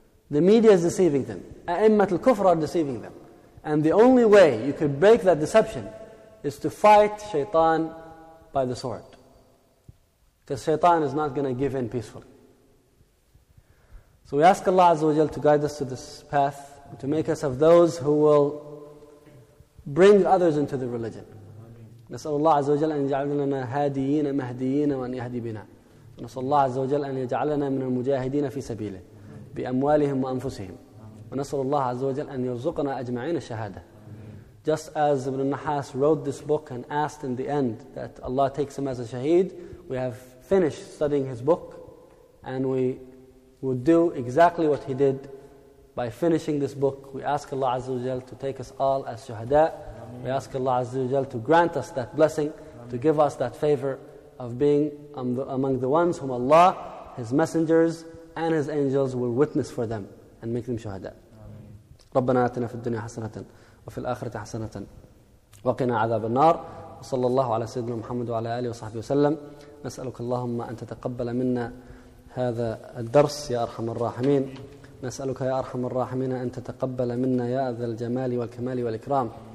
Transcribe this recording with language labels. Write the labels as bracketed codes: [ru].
[en] The media is deceiving them. A'immat al-kufr are deceiving them. And the only way you could break that deception is to fight shaitan by the sword. Because shaitan is not going to give in peacefully. So we ask Allah Azza wa Jal to guide us to this path, to make us of those who will bring others into the religion. [ar] نسأل الله عز وجل أن يجعلنا هاديين مهديين وأن يهدي بنا نسأل الله عز وجل أن يجعلنا من المجاهدين في سبيله بأموالهم وأنفسهم ونسأل الله عز وجل أن يرزقنا أجمعين الشهادة. [en] Just as Ibn al-Nahhas wrote this book and asked in the end that Allah takes him as a shaheed, we have finish studying his book, and we would do exactly what he did by finishing this book. We ask Allah Azza wa Jal to take us all as shuhada. We ask Allah Azza wa Jal to grant us that blessing, to give us that favor of being among the ones whom Allah, His messengers, and His angels will witness for them and make them shuhada. [ar] ربنا آتنا في الدنيا حسنة وفي الآخرة حسنة وقنا عذاب النار وصلى الله على سيدنا محمد وعلى آله وصحبه وسلم نسألك اللهم أن تتقبل منا هذا الدرس يا أرحم الراحمين نسألك يا أرحم الراحمين أن تتقبل منا يا ذا الجمال والكمال والإكرام